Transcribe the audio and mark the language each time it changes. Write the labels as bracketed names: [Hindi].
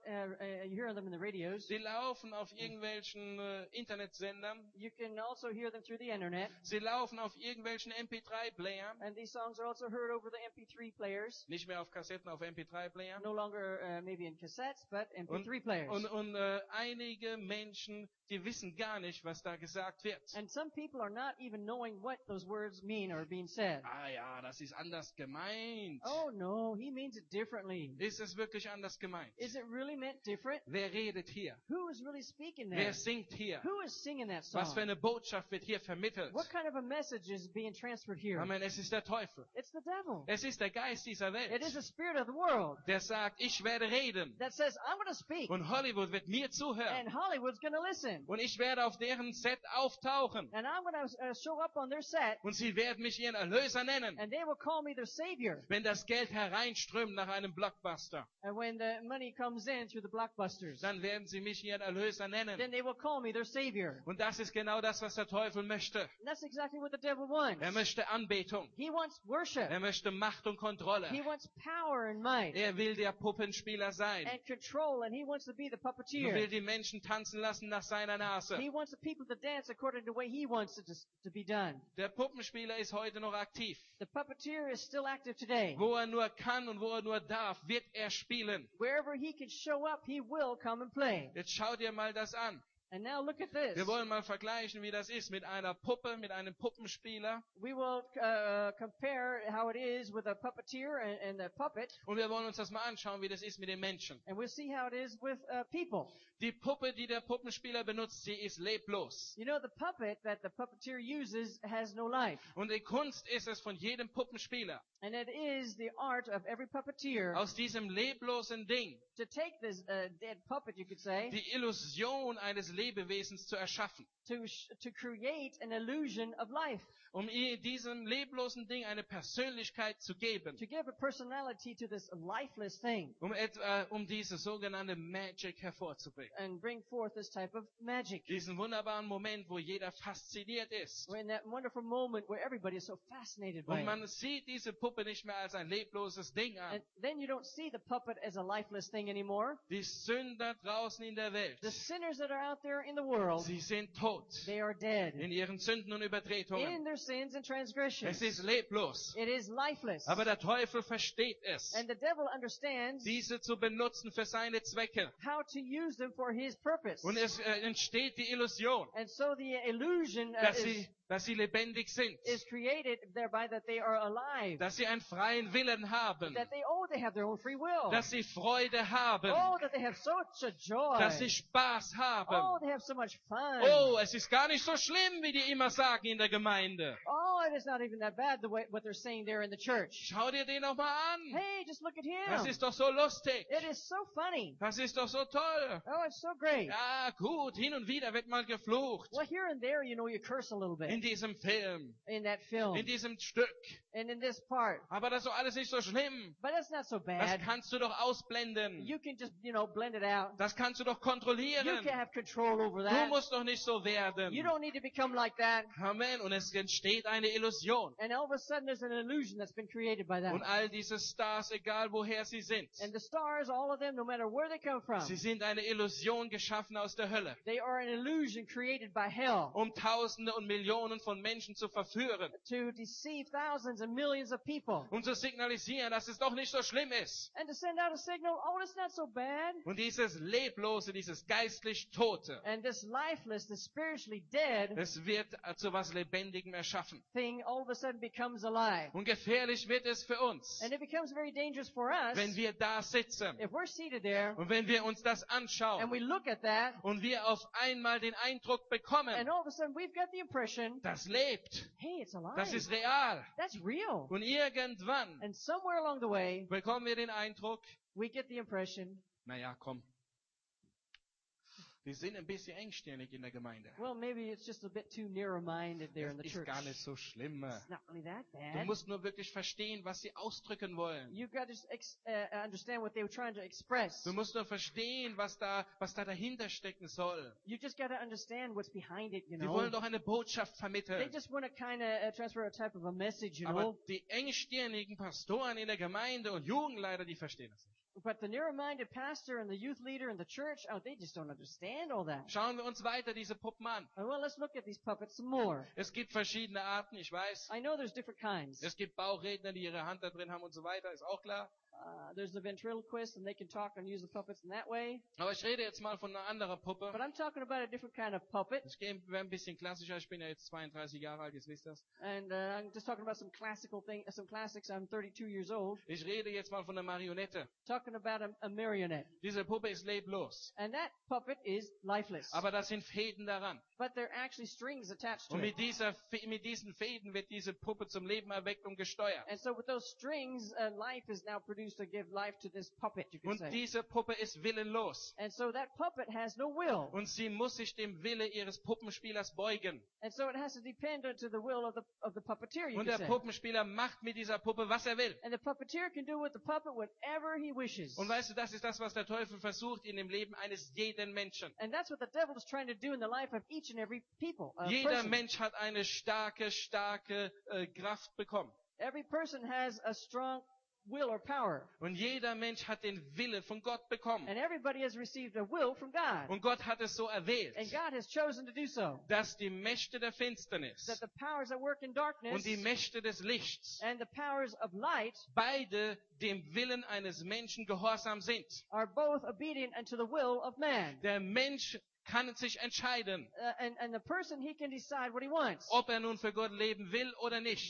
[English] You hear them in the radios. [German] Sie laufen auf irgendwelchen Internetsendern. [English] You can also hear them through the internet. [German] Sie laufen auf irgendwelchen MP3-Playern. [English] And these songs are also heard over the MP3 players. [German] Nicht mehr auf Kassetten, auf MP3-Playern. [English] No longer maybe in cassettes, but MP3 players. [German] Und einige Menschen, die wissen gar nicht, was da gesagt wird. [English] And some people are not even knowing what those words mean or being said. [German] Ah ja, das ist anders. Anders gemeint. [English] Oh no, he means it differently. [German] Ist es wirklich anders gemeint? [English] Is it really meant different? [German] Wer redet hier? [English] Who is really speaking there? [German] Wer singt hier? [English] Who is singing that song? [German] Was für eine Botschaft wird hier vermittelt? [English] What kind of a message is being transferred here? [German] Amen. Es ist der Teufel. [English] It's the devil. [German] Es ist der Geist dieser Welt. [English] It is the spirit of the world. [German] Der sagt, ich werde reden. [English] That says, I'm going to speak. [German] Und Hollywood wird mir zuhören. [English] And Hollywood's going to listen. [German] Und ich werde auf deren Set auftauchen. [English] And I'm going to show up on their set. [German] Und sie werden mich ihren Erlöser nennen. [English] And they will call me their savior. [German] Wenn das Geld hereinströmt nach einem Blockbuster, [English] and when the money comes in through the blockbusters, [German] dann werden sie mich ihren Erlöser nennen. [English] Then they will call me their savior. [German] Und das ist genau das, was der Teufel möchte. [English] And that's exactly what the devil wants. [German] Er möchte Anbetung. [English] He wants worship. [German] Er möchte Macht und Kontrolle. [English] He wants power and might. [German] Er will der Puppenspieler sein. [English] And control, and he wants to be the puppeteer. [German] Er will die Menschen tanzen lassen nach seiner Nase. [English] He wants the people to dance according to the way he wants it to be done. [German] Der Puppenspieler ist heute noch aktiv. [English] The puppeteer is still active today. [German] Wo er nur kann und wo er nur darf, wird er spielen. [English] Wherever he can show up, he will come and play. [German] Jetzt schau dir mal das an. [English] And now look at this. [German] Wir wollen mal vergleichen, wie das ist mit einer Puppe, mit einem Puppenspieler. [English] We will compare how it is with a puppeteer and the puppet. [German] Und wir wollen uns das mal anschauen, wie das ist mit den Menschen. [English] And we'll see how it is with people. [German] Die Puppe, die der Puppenspieler benutzt, sie ist leblos. [English] You know, the puppet that the puppeteer uses has no life. [German] Und die Kunst ist es von jedem Puppenspieler. [English] And it is the art of every puppeteer. [German] Aus diesem leblosen Ding. [English] To take this dead puppet, you could say. [German] Die Illusion eines Lebewesens zu erschaffen. [English] To create an illusion of life. [German] Um diesem leblosen Ding eine Persönlichkeit zu geben. [English] To give a personality to this lifeless thing. [German] Um diese sogenannte Magic hervorzubringen. [English] And bring forth this type of magic. [German] Diesen wunderbaren Moment, wo jeder fasziniert ist. [English] When that wonderful moment where everybody is so fascinated by. [German] Und man sieht diese Puppe nicht mehr als ein lebloses Ding an. [English] And then you don't see the puppet as a lifeless thing anymore. [German] Die Sünder draußen in der Welt. [English] The sinners that are out there in the world. [German] Sie sind tot. [English] They are dead. [German] In ihren Sünden und Übertretungen. [English] In their sins and transgressions. [German] Es ist leblos. [English] It is lifeless. [German] Aber der Teufel versteht es. [English] And the devil understands. [German] Diese zu benutzen für seine Zwecke. [English] How to use them for his purpose. [German] Und es entsteht die Illusion. [English] And so the illusion [German] dass sie lebendig sind. [English] Is created thereby that they are alive. [German] Dass sie einen freien Willen haben. [English] That they have their own free will. [German] Dass sie Freude haben. [English] Oh, that they have such a joy. [German] Dass sie Spaß haben. [English] Oh, they have so much fun. [German] Oh, es ist gar nicht so schlimm, wie die immer sagen in der Gemeinde. [English] Oh, it is not even that bad the way what they're saying there in the church. [German] Schau dir den noch mal an. [English] Hey, just look at him. [German] Das ist doch so lustig. [English] It is so funny. [German] Das ist doch so toll. [English] Oh, it's so great. [German] Ja, gut, hin und wieder wird mal geflucht. [English] Well, here and there, you know, you curse a little bit. [German] In diesem Film. [English] In that film. [German] In diesem Stück. [English] And in this part. [German] Aber das ist doch alles nicht so schlimm. [English] But that's not so bad. [German] Das kannst du doch ausblenden. [English] You can just, you know, blend it out. [German] Das kannst du doch kontrollieren. [English] You can have control over that. [German] Du musst doch nicht so werden. [English] You don't need to become like that. [German] Amen. Und es entsteht eine Illusion. [English] And all of a sudden there's an illusion that's been created by that. [German] Und all diese Stars, egal woher sie sind. [English] And the stars, all of them, no matter where they come from. [German] Sie sind eine Illusion geschaffen aus der Hölle. [English] They are an illusion created by hell. [German] Um Tausende und Millionen Millionen von Menschen zu verführen. [English] To deceive thousands and millions of people. [German] Um zu signalisieren, dass es doch nicht so schlimm ist. [English] And to send out a signal, oh, it's not so bad. [German] Und dieses Leblose, dieses geistlich Tote. [English] And this lifeless, this spiritually dead. [German] Es wird zu was Lebendigem erschaffen. [English] Thing all of a sudden becomes alive. [German] Und gefährlich wird es für uns. [English] And it becomes very dangerous for us. [German] Wenn wir da sitzen. [English] If we're seated there. [German] Und wenn wir uns das anschauen. [English] And we look at that. [German] Und wir auf einmal den Eindruck bekommen, [English] and all of a sudden we've got the impression, [German] das lebt, [English] hey, it's alive. [German] Das ist real. [English] That's real. [German] Und irgendwann, [English] and somewhere along the way, [German] bekommen wir den Eindruck, [English] we get the impression, [German] naja, komm, wir sind ein bisschen engstirnig in der Gemeinde. [English] Well, maybe it's just a bit too narrow-minded there in the church. [German] Ist gar nicht so schlimm. [English] It's not really that bad. [German] Du musst nur wirklich verstehen, was sie ausdrücken wollen. [English] You've got to understand what they were trying to express. [German] Du musst nur verstehen, was da dahinter stecken soll. [English] You just got to understand what's behind it, you know. [German] Die wollen doch eine Botschaft vermitteln. [English] They just want to kind of transfer a type of a message, you know. [German] Aber die engstirnigen Pastoren in der Gemeinde und Jugendleiter, die verstehen das nicht. [English] But the narrow-minded pastor and the youth leader in the church, oh, they just don't understand all that. [German] Schauen wir uns weiter diese Puppen an. [English] Well, let's look at these puppets some more. [German] Es gibt verschiedene Arten, ich weiß. [English] I know there's different kinds. [German] Es gibt Bauchredner, die ihre Hand da drin haben und so weiter, ist auch klar. [English] There's the ventriloquist and they can talk and use the puppets in that way. [German] Aber ich rede jetzt mal von einer anderen Puppe. [English] But I'm talking about a different kind of puppet. [German] Ich gehe ein bisschen klassischer, ich bin ja jetzt 32 Jahre alt, jetzt wisst ihr das. [English] And I'm just talking about some classical thing, some classics. I'm 32 years old. [German] Ich rede jetzt mal von einer Marionette. [English] Talking about a marionette. [German] Diese Puppe ist leblos. [English] And that puppet is lifeless. [German] Aber da sind Fäden daran. [English] But there are actually strings attached to it. [German] Und mit diesen Fäden wird diese Puppe zum Leben erweckt und gesteuert. [English] And so with those strings, life is now produced. To give life to this puppet, you [German] und [English] say. [German] Diese Puppe ist willenlos. [English] And so that puppet has no will. [German] Und sie muss sich dem Wille ihres Puppenspielers beugen. [English] And so it has to depend on the will of the puppeteer, you [German] und der [English] say. [German] Puppenspieler macht mit dieser Puppe was er will. [English] And the puppeteer can do with the puppet whatever he wishes. [German] Und weißt du, das ist das, was der Teufel versucht in dem Leben eines jeden Menschen. [English] And that's what the devil is trying to do in the life of each and every people. [German] Jeder [English] person. [German] Mensch hat eine starke Kraft bekommen. [English] Every person has a strong will or power. [German] Und jeder Mensch hat den Wille von Gott bekommen. [English] And everybody has received a will from God. [German] Und Gott hat es so erwählt. [English] And God has chosen to do so. [German] Dass die Mächte der Finsternis, [English] that the powers that work in darkness, [German] und die Mächte des Lichts, [English] and the powers of light, [German] beide dem Willen eines Menschen gehorsam sind. [English] Are both obedient unto the will of man. [German] Der Mensch kann sich entscheiden, [English] and the person, he can decide what he wants, [German] ob er nun für Gott leben will oder nicht.